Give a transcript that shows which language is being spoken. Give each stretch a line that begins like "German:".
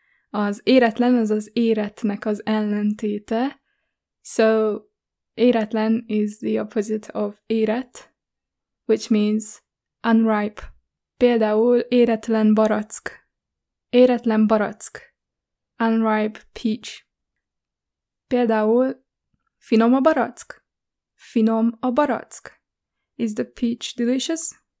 Hungarian: Az éretlen az az éretnek az ellentéte.
English: So, éretlen is the opposite of éret, which means unripe.
Hungarian: Például éretlen barack. Éretlen barack.
English: Unripe peach.
Hungarian: Például finom a barack. Finom a barack.
English: Is the peach delicious?